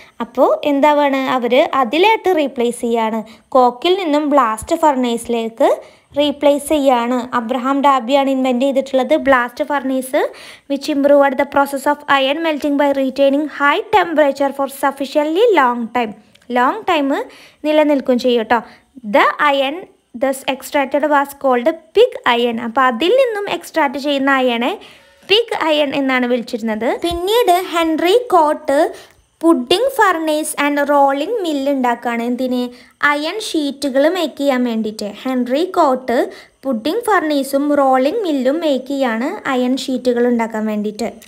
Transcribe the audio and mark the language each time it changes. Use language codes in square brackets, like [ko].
[ml] അപ്പോൾ എന്താ വേണം? അവർ അതിലായിട്ട് റീപ്ലേസ് ചെയ്യാണ്. കോക്കിൽ നിന്നും ബ്ലാസ്റ്റ് ഫർണേസിലേക്ക് റീപ്ലേസ് ചെയ്യാണ്. അബ്രഹാം ഡാബിയാണ് ഇൻവെൻറ്റ് ചെയ്തിട്ടുള്ളത് [en] Blast furnace, which improved the process of iron melting by retaining high temperature for sufficiently long time. Long time [ml] നിലനിൽക്കും ചെയ്യും കേട്ടോ. [en] The iron thus extracted was called pig iron. [ml] അപ്പോൾ അതിൽ നിന്നും extract ചെയ്യുന്ന അയണെ pig iron എന്നാണ് വിളിച്ചിരുന്നത്. പിന്നീട് Henry coat pudding furnace and rolling മില്ലുണ്ടാക്കുകയാണ്. എന്തിന്? അയൺ ഷീറ്റുകൾ മേക്ക് ചെയ്യാൻ വേണ്ടിയിട്ട്. Henry coat pudding ഫർണീസും rolling മില്ലും make ചെയ്യാണ് അയൺ ഷീറ്റുകൾ ഉണ്ടാക്കാൻ വേണ്ടിയിട്ട്.